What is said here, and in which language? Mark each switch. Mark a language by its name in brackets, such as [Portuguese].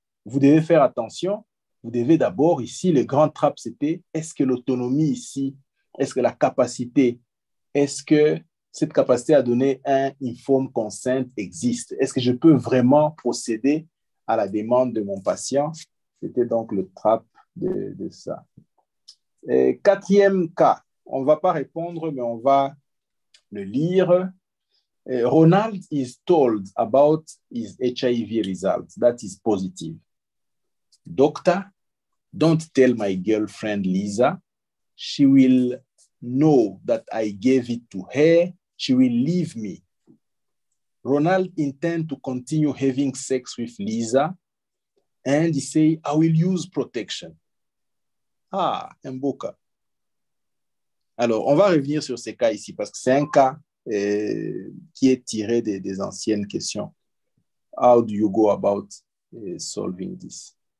[French] Vous devez faire attention. Vous devez d'abord, ici, le grand trap, c'était, est-ce que l'autonomie ici, est-ce que la capacité, est-ce que cette capacité à donner un informed consent existe? Est-ce que je peux vraiment procéder à la demande de mon patient? C'était donc le trap de ça. Quatrième cas. On ne va pas répondre, mais on va le lire. [English] Ronald is told about his HIV results. That is positive. Doctor, don't tell my girlfriend Lisa. She will know that I gave it to her. She will leave me. Ronald intends to continue having sex with Lisa. And he says, I will use protection. [French] Ah, un beau cas. Alors, on va revenir sur ces cas ici parce que c'est un cas qui est tiré des anciennes questions. [English] How do you go about solving this?